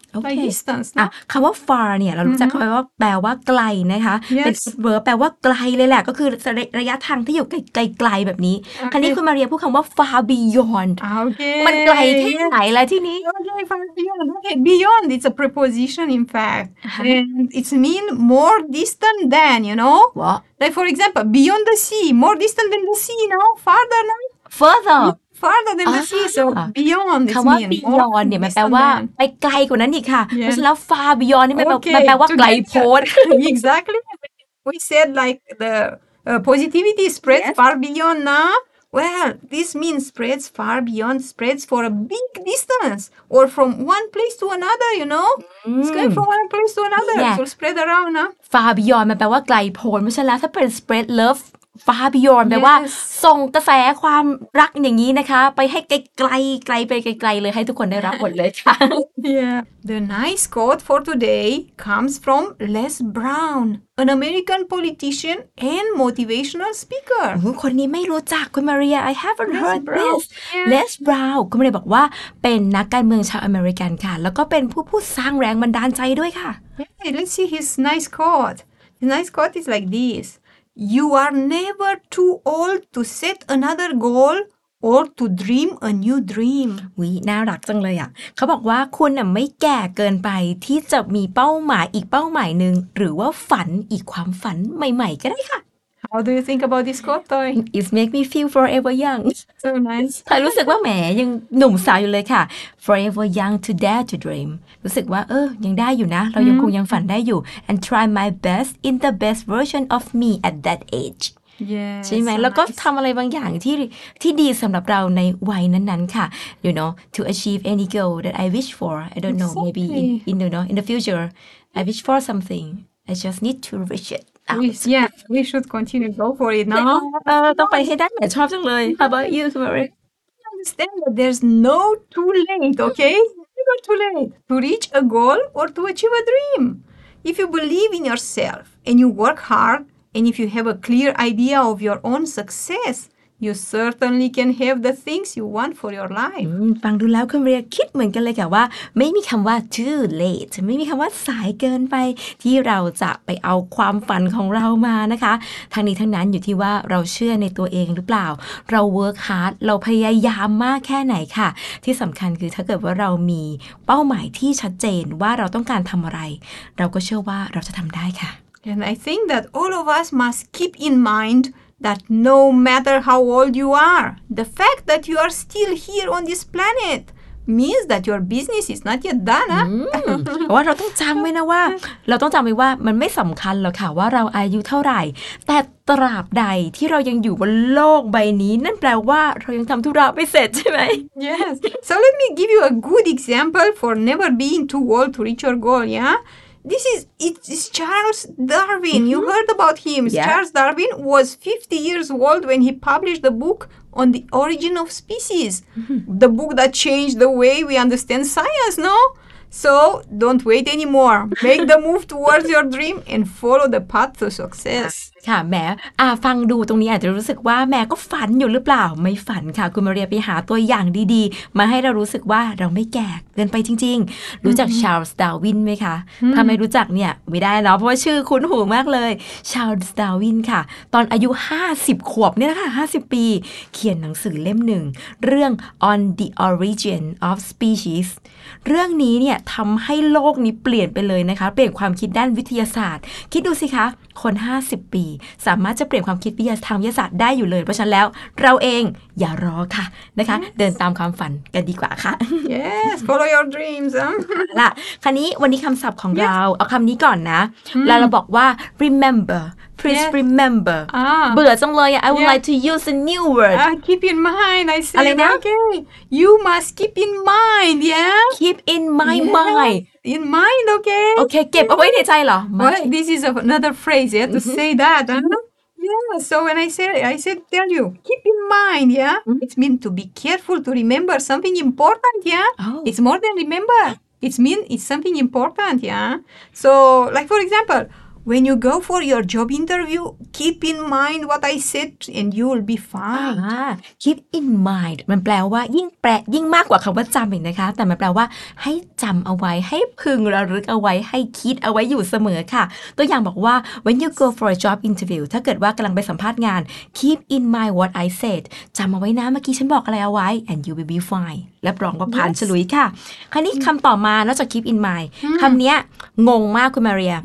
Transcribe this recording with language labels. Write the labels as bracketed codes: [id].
[en] Okay. By distance, no? [th] คำว่า far เนี่ยเรารู้จักคำว่าแปลว่าไกลนะคะ [en] yes. [th] เป็น verb แปลว่าไกลเลยแหละก็คือระยะทางที่อยู่ไกลๆแบบนี้ [en] okay. [th] คราวนี้คุณมาเรียพูดคำว่า far beyond [en] okay. [th] มันไกลแค่ไหนล่ะที่นี้ [en] okay far beyond okay beyond it's a preposition in fact uh-huh. and it's mean more distant than you know what like for example beyond the sea more distant than the sea no farther no further yeah. Farther than the sea, so beyond [th] คำว่า beyond เนี่ยมันแปลว่าไปไกลกว่านั้นอีกค่ะเพราะฉะนั้น far beyond นี่มันแปลว่าไกลโพ้น [en] Exactly we said like the positivity spreads yes. far beyond now well this means spreads far beyond spreads for a big distance or from one place to another you know it's going from one place to another yeah. so spread around now [th] far beyond มันแปลว่าไกลโพ้นเพราะฉะนั้นถ้าเป็น [en] spread loveFar beyond [th] แปลว่าส่งกระแสความรักอย่างนี้นะคะไปให้ไกลๆไกลไปไกลๆเลยให้ทุกคนได้รับหมดเลยค่ะ [en] Yeah The nice quote for today comes from Les Brown an American politician and motivational speaker [th] คนนี้ไม่รู้จักคุณมาเรีย [en] I haven't Les heard Brown. [th] this Les Brown คุณมาเรียบอกว่าเป็นนักการเมืองชาวอเมริกันค่ะแล้วก็เป็นผู้สร้างแรงบันดาลใจด้วยค่ะ [en] Hey, Let's see his nice quote His nice quote is like thisYou are never too old to set another goal or to dream a new dream. [th] วีน่ารักจังเลยอ่ะเขาบอกว่าคุณน่ะไม่แก่เกินไปที่จะมีเป้าหมายอีกเป้าหมายหนึ่งหรือว่าฝันอีกความฝันใหม่ๆก็ได้ค่ะ [en] How do you think about this quote, Toy? It makes me feel forever young. So nice. [th] ถ้ารู้สึกว่าแหมยังหนุ่มสาวอยู่เลยค่ะ [en] Forever young to dare to dream. [th] รู้สึกว่าเออยังได้อยู่นะเรายังคงยังฝันได้อยู่ [en] And try my best in the best version of me at that age. Yes. [th] ใช่ไหม so แล้วก็ nice. ทำอะไรบางอย่างที่ดีสำหรับเราในวัยนั้นๆค่ะ [en] You know, to achieve any goal that I wish for. I don't know, maybe in the future, I wish for something. I just need to reach it. We should continue go for it now. [th] ต้องไปให้ได้แหมชอบจังเลย [en] How about you, Sorry? Understand that there's no too late, okay? Never too late to reach a goal or to achieve a dream. If you believe in yourself and you work hard, and if you have a clear idea of your own success, you certainly can have the things you want for your life. [th] ฟังดูแล้วคุณเรียคิดเหมือนกันเลยค่ะว่าไม่มีคำว่า too late ไม่มีคำว่าสายเกินไปที่เราจะไปเอาความฝันของเรามานะคะทั้งนี้ทั้งนั้นอยู่ที่ว่าเราเชื่อในตัวเองหรือเปล่าเรา [en] work hard [th] เราพยายามมากแค่ไหนค่ะที่สำคัญคือถ้าเกิดว่าเรามีเป้าหมายที่ชัดเจนว่าเราต้องการทำอะไรเราก็เชื่อว่าเราจะทำได้ค่ะ [en] And I think that all of us must keep in mindThat no matter how old you are, the fact that you are still here on this planet means that your business is not yet done, huh? [th] ว่าเราต้องจำไว้นะว่าเราต้องจำไว้ว่ามันไม่สำคัญหรอกค่ะว่าเราอายุเท่าไหร่แต่ตราบใดที่เรายังอยู่บนโลกใบนี้นั่นแปลว่าเรายังทำธุระไม่เสร็จใช่ไหม [en] Yes. So let me give you a good example for never being too old to reach your goal, yeah? It's Charles Darwin. Mm-hmm. You heard about him. Yeah. Charles Darwin was 50 years old when he published the book on the origin of species. Mm-hmm. The book that changed the way we understand science, no? So don't wait anymore. Make the move towards your dream and follow the path to success. [th] ค่ะแม่ฟังดูตรงนี้อาจจะรู้สึกว่าแม่ก็ฝันอยู่หรือเปล่าไม่ฝันค่ะคุณมาเรียไปหาตัวอย่างดีๆมาให้เรารู้สึกว่าเราไม่แก่เกินไปจริงๆรู้จักชาร์ลส์ดาร์วินไหมคะถ้าไม่รู้จักเนี่ยไม่ได้แล้วเพราะว่าชื่อคุ้นหูมากเลยชาร์ลส์ดาร์วินค่ะตอนอายุ50ขวบเนี่ยนะคะ50ปีเขียนหนังสือเล่มหนึ่งเรื่อง On the Origin of Species เรื่องนี้เนี่ยทำให้โลกนี้เปลี่ยนไปเลยนะคะเปลี่ยนความคิดด้านวิทยาศาสตร์คิดดูสิคะคน50ปีสามารถจะเปลี่ยนความคิดทางวิทยาศาสตร์ได้อยู่เลยเพราะฉะนั้นแล้วเราเองอย่ารอค่ะนะคะ [en] yes. [th] เดินตามความฝันกันดีกว่าค่ะ [en] Yes follow your dreams [th] ล่ะคราวนี้วันนี้คำศัพท์ของ yes. เราเอาคำนี้ก่อนนะ hmm. แล้วเราบอกว่า rememberPlease yes. [en] remember. [th] เบื่อจังเลย [en] I would like to use a new word. Keep in mind. I said okay. You must keep in mind. Yeah. Keep in my mind. In mind. Okay. [th] Okay. เก็บเอาไว้ในใจเหรอ [en] Well, this is another phrase. Yeah. To mm-hmm. say that. Yeah. So when I said, tell you, keep in mind. Yeah. Mm-hmm. It means to be careful to remember something important. Yeah. Oh. It's more than remember. It means it's something important. Yeah. So like for example. When you go for your job interview, keep in mind what I said and you'll be fine. Keep in mind. [th] มันแปลว่ายิ่งแปลยิ่งมากกว่าคำว่าจำอีกนะคะแต่มันแปลว่าให้จำเอาไว้ให้พึงระลึกเอาไว้ให้คิดเอาไว้อยู่เสมอค่ะตัวอย่างบอกว่า [en] When you go for a job interview, [th] ถ้าเกิดว่ากำลังไปสัมภาษณ์งาน [en] Keep in mind what I said. [th] จำเอาไว้นะเมื่อกี้ฉันบอกอะไรเอาไว้ [en] and you'll be fine. [th] รับรองว่าผ่านฉลุยค่ะคราวนี้คำต่อมานอกจาก keep in mind คำนี้งงมากคุณมาเรีย